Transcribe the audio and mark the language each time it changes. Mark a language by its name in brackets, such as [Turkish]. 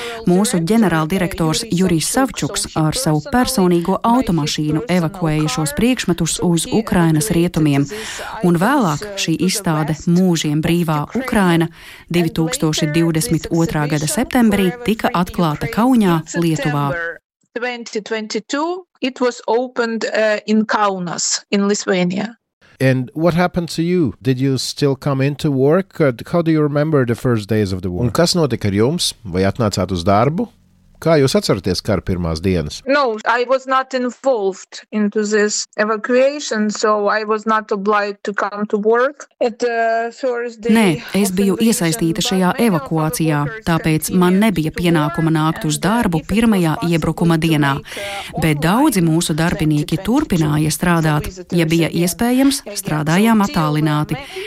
[Latvian] Mūsu ģenerāldirektors Jurijs Savčuks ar savu personīgo automašīnu evakuēja šos priekšmetus uz Ukrainas rietumiem. Un vēlāk šī izstāde Mūžiem brīvā Ukraina 2022. Gada septembrī tika atklāta Kaunā, Lietuvā. [English] 2022 it was opened in Kaunas in Lithuania. And what happened to you? Did you still come into work? How do you remember the first days of the war? [Latvian] Un kas notika ar jums? Vai atnācāt uz darbu? Kā jūs atceraties kara pirmās dienas? [English] No, I was not involved into this evacuation, so I was not obliged to come to work. [Latvian] Nē, es biju iesaistīta šajā evakuācijā, tāpēc man nebija pienākuma nākt uz darbu pirmajā iebrukuma dienā. Bet daudzi mūsu darbinieki turpināja strādāt, ja bija iespējams, strādājām attālināti.